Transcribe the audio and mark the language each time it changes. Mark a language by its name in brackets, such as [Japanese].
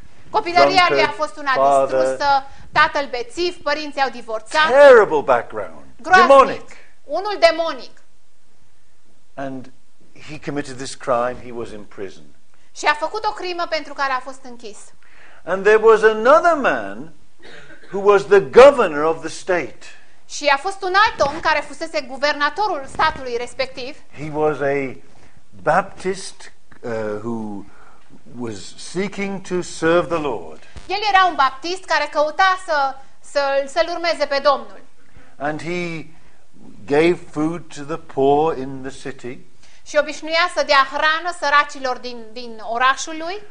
[Romanian] Copilăria lui a fost una father, distrusă. Tatăl bețiv, părinții au divorțat. [English] Terrible background. [Romanian] Groaznic. [English] Demonic. [Romanian] Unul demonic. [English] And he committed this crime, he was in prison. [Romanian] Și a făcut o crimă pentru care a fost închis. [English] And there was another man who was the governor of the state. [Romanian] Și a fost un alt om care fusese guvernatorul statului respectiv. [English] He was a Baptist who was seeking to serve the Lord. [Romanian] El era un baptist care căuta să-l urmeze pe Domnul. [English] And he gave food to the poor in the city. [Romanian] Și obișnuia să dea hrană săracilor din orașul lui.